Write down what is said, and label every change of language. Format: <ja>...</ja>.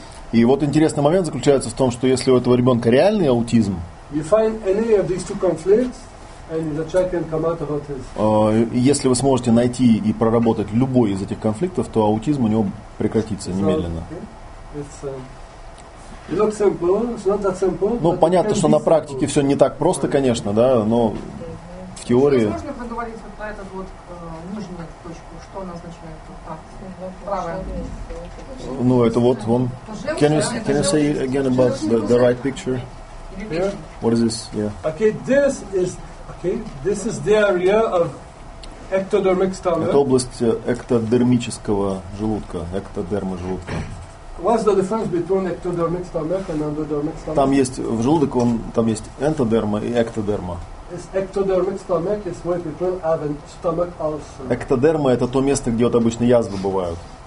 <ru>И вот интересный момент заключается в том, что если у этого ребенка реальный аутизм,</ru> <en>you find any of these two conflicts, and the child can come out of autism.</en> <ru>Если вы сможете найти и проработать любой из этих конфликтов, то аутизм у него прекратится немедленно.</ru> <en>It looks simple. It's not that simple.</en> <ru>Ну, понятно, что на практике все не так просто, конечно, да, но в теории. Можно поговорить вот про этот вот нижнюю точку, что она означает? Правая. Ну, это вот он.</ru> <en>Can you say again about the right picture? Here? What is this? Yeah. Okay, this is the area of ectodermic stomach.</en> <ru>Это область эктодермического желудка, эктодермы желудка.</ru> <en>What's the difference between ectodermic stomach and endodermic stomach?</en> <ru>Там есть в желудке, там есть энтодерма и эктодерма.</ru> <en>is ectodermic stomach is where people have a stomach ulcer.</en> <ru>Эктодерма — это то место, где вот обычно язвы бывают.</ru>